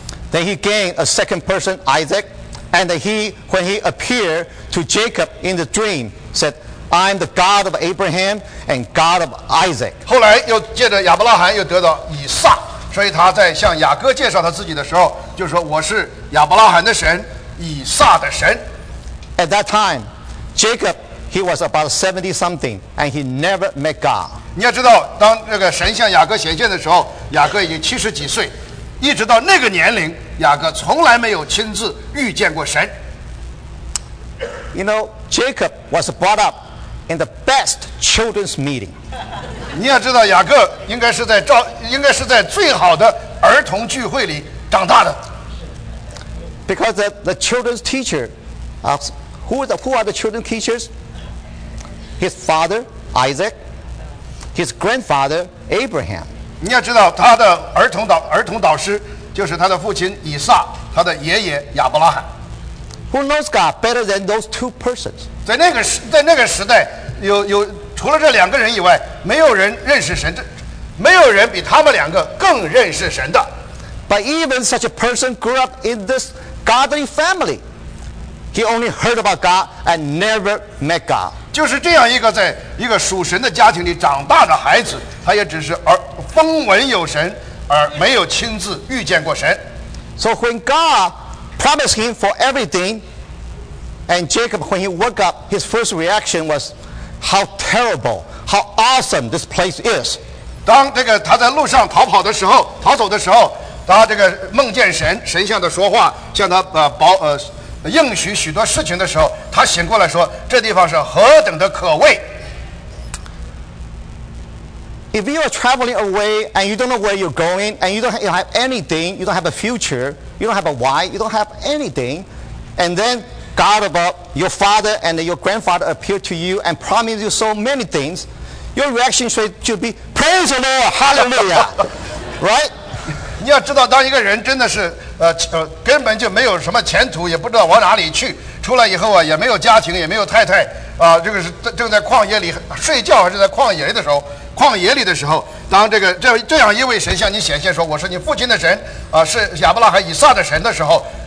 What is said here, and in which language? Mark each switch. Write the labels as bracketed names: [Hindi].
[English] Then he gained a second person, Isaac, and when he appeared to Jacob in the dream, said. I'm the God of Abraham and God of Isaac. [Chinese] 后来又借着亚伯拉罕又得到以撒，所以他在向雅各介绍他自己的时候，就说我是亚伯拉罕的神，以撒的神。 [English] At that time, Jacob he was about 70 something, and he never met God. [Chinese] 你要知道，当那个神向雅各显现的时候，雅各已经七十几岁，一直到那个年龄，雅各从来没有亲自遇见过神。 [English] You know, Jacob was brought up. In the best children's meeting, [Chinese] 你要知道雅各应该是在最好的儿童聚会里长大的。 [English] Because the children's teacher, who are the children teachers? His father Isaac, his grandfather Abraham. [Chinese] 你要知道他的儿童导师就是他的父亲以撒，他的爷爷亚伯拉罕。 [English] Who knows God better than those two persons? [Chinese] 在那个时代。有除了这两个人以外，没有人认识神，没有人比他们两个更认识神的。 [English] But even such a person grew up in this godly family, he only heard about God and never met God. [Chinese] 就是这样一个在一个属神的家庭里长大的孩子，他也只是风闻有神，而没有亲自遇见过神。 [English] So when God promised him for everything, and Jacob, when he woke up, his first reaction was. How terrible! How awesome this place is! [Chinese] 当这个他在路上逃走的时候，他这个梦见神向他说话，向他应许许多事情的时候，他醒过来说：“这地方是何等的可畏！” [English] If you are traveling away and you don't know where you're going and you don't have anything, you don't have a future, you don't have a why, you don't have anything, and then. God about your father and your grandfather appeared to you and promised you so many things. Your reaction should be praise the Lord, hallelujah, right? [Chinese] 你要知道，当一个人真的是根本就没有什么前途，也不知道往哪里去。出来以后啊，也没有家庭，也没有太太啊。这个是正在旷野里睡觉，还是在旷野里的时候，当这样一位神向你显现说我是你父亲的神啊，是亚伯拉罕、以撒的神的时候。